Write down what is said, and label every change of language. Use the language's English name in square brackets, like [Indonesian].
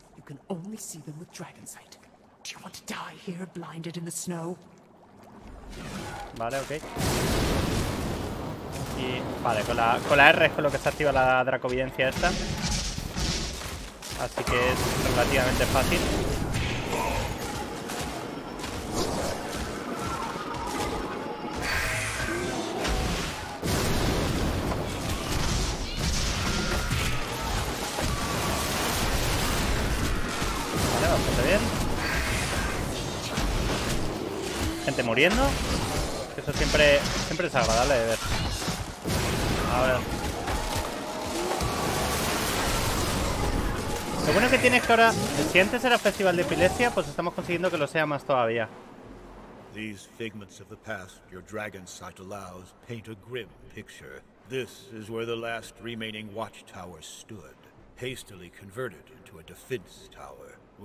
[English] You can only see them with dragon sight. Do you want to die here, blinded in the snow? [Spanish] Vale, ok. Y vale, con la R es con lo que se activa la dracovidencia esta. Así que es relativamente fácil. Vale, bastante bien. Gente muriendo. Eso siempre es agradable de ver. Ahora. Lo bueno que tienes es que ahora, si antes era festival de epilepsia, pues estamos consiguiendo que lo sea más todavía. [English] These figments of the past your dragon sight allows paint a grim picture. This is where the last remaining watchtower stood, hastily converted into a defense tower.